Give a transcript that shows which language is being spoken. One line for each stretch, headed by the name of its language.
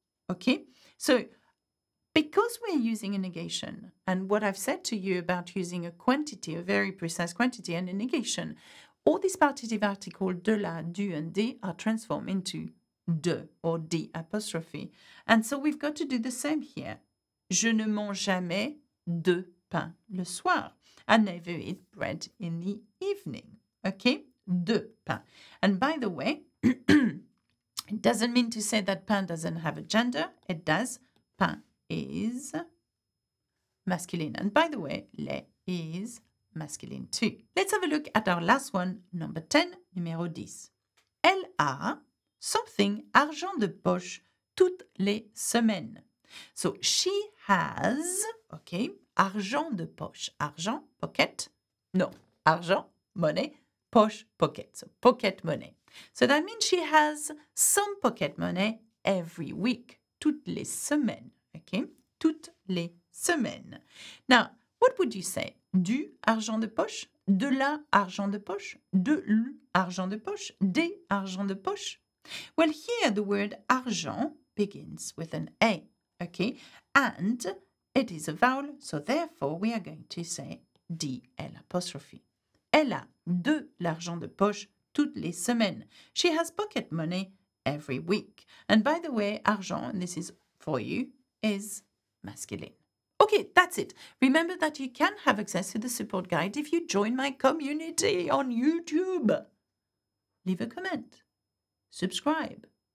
English: Okay, so because we're using a negation, and what I've said to you about using a quantity, a very precise quantity, and a negation, all these partitive articles, de la, du, and des, are transformed into de or de apostrophe. And so we've got to do the same here.
French: Je ne mange jamais de pain le soir.
English: I never eat bread in the evening. Okay? De pain. And by the way, it doesn't mean to say that pain doesn't have a gender. It does. Pain is masculine. And by the way, lait is masculine too. Let's have a look at our last one, number 10, numéro 10.
French: Elle a
English: something
French: argent de poche toutes les semaines.
English: So she has, okay, argent de poche. Argent, pocket. No, argent, money, poche, pocket. So pocket money. So that means she has some pocket money every week.
French: Toutes les semaines, okay? Toutes les semaine.
English: Now, what would you say? Du argent de poche? De la argent de poche? De l'argent de poche? Des argent de poche? Well, here the word argent begins with an A, okay? And it is a vowel, so therefore we are going to say D-L apostrophe.
French: Elle a de l'argent de poche toutes les semaines.
English: She has pocket money every week. And by the way, argent, and this is for you, is masculine. Okay, that's it. Remember that you can have access to the support guide if you join my community on YouTube. Leave a comment. Subscribe.